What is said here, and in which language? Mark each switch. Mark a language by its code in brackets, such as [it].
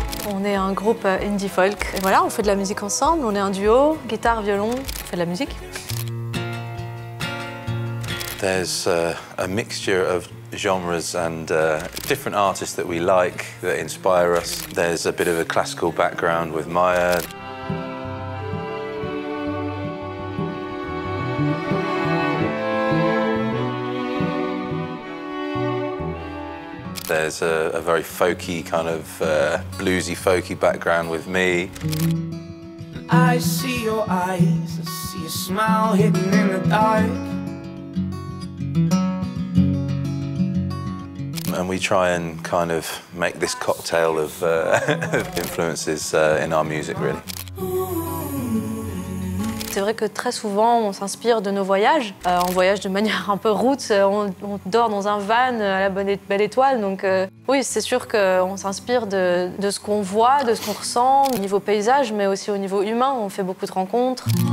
[fr] On est un groupe indie folk. Et voilà, on fait de la musique ensemble. On est un duo, guitare, violon. On fait de la musique. [en] There's a mixture of genres and different artists that we like that inspire us. There's a bit of a classical background with Maia. There's a very folky kind of bluesy folky background with me. I see your eyes, I see a smile hidden in the dark. And we try and kind of make this cocktail of influences in our music, really. [fr] C'est vrai que très souvent, on s'inspire de nos voyages. On voyage de manière un peu route, on dort dans un van à la belle étoile. Donc oui, c'est sûr qu'on s'inspire de ce qu'on voit, de ce qu'on ressent, au niveau paysage, mais aussi au niveau humain. On fait beaucoup de rencontres.